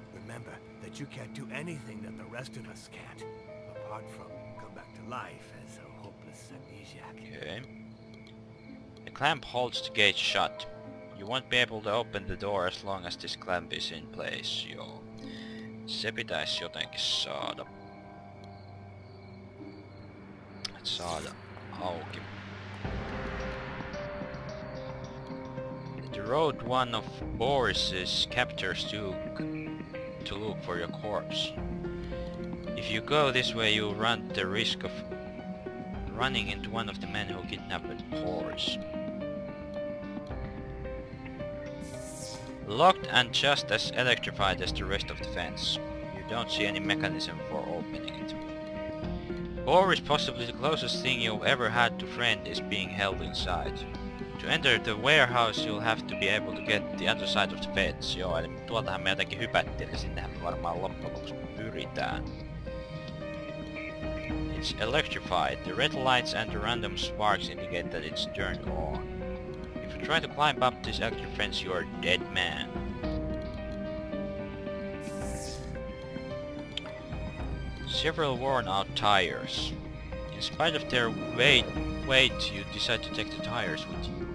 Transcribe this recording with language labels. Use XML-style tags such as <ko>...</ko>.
<en>Remember that you can't do anything that the rest of us can't, apart from life as a hopeless amnesiac. Okay. The clamp holds the gate shut. You won't be able to open the door as long as this clamp is in place, yo.</en> <fi>Se pitäisi jotenkin saada. Et saada auki.</fi> <en>The road one of Boris's captors to look for your corpse. If you go this way, you run the risk of running into one of the men who kidnapped Boris. Locked and just as electrified as the rest of the fence. You don't see any mechanism for opening it. Boris, possibly the closest thing you've ever had to friend, is being held inside. To enter the warehouse, you'll have to be able to get the other side of the fence.</en> <fi>Joo, eli tuoltahan me jotenkin hypättiin, ja sinnehän me varmaan loppujen lopuksi pyritään.</fi> <en>It's electrified. The red lights and the random sparks indicate that it's turned on. If you try to climb up this electric fence, you are a dead man. Several worn-out tires. In spite of their weight, you decide to take the tires with you.</en>